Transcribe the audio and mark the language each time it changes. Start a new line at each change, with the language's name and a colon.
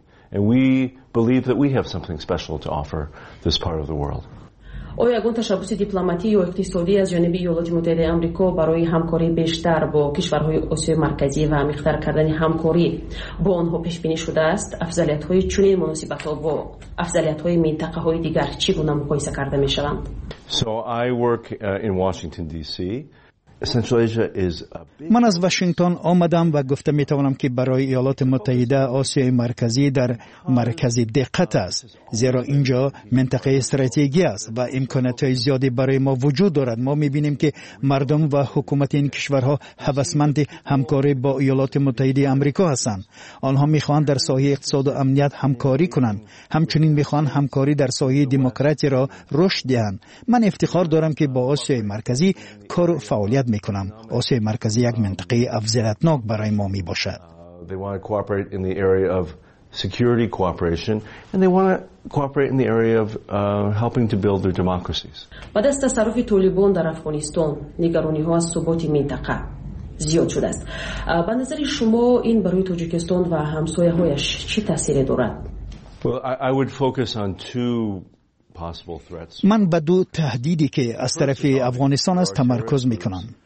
English: And we believe that we have something special to offer this part of the world.
Persian: اوی اگون تشبوسی دیپلماتی و اقتصادی از جانبی ایالات متحده آمریکا برای همکاری بیشتر با کشورهای آسیای مرکزی و عمیق‌تر کردن همکاری با آنها پیش بینی شده است. افضلیت های چنین مناسبت ها با افضلیت های منطقه های دیگر چگونه مقایسه کرده می شوند؟
English: So I work in Washington DC. Essentially, Asia is a big...
Persian: من از واشنگتن آمدم و گفته می توانم که برای ایالات متحده آسیای مرکزی در مرکز دقت است، زیرا اینجا منطقه استراتژی است و امکانات زیادی برای ما وجود دارد. ما می بینیم که مردم و حکومت این کشورها هوسمند همکاری با ایالات متحده آمریکا هستند. آنها می خواهند در سایه اقتصاد و امنیت همکاری کنند، همچنین می خواهند همکاری در سایه دموکراسی را رشد دهند. من افتخار دارم که با آسیای مرکزی کار و فعالیت میکنم. آسیای مرکزی یک منطقه افضلتناک برای ما می باشد.
English: They want to cooperate in the area of security cooperation and they want to cooperate in the area of helping to build their democracies.
Persian: بعد از تصرف طالبان در افغانستان، نگرانی ها از ثبات منطقه زیاد شده است. به نظر شما این برای تاجیکستان و همسایه هایش چه تأثیری دارد؟
English: Well, I would focus on two
Persian: من به دو تهدیدی که از طرف افغانستان است تمرکز میکنم.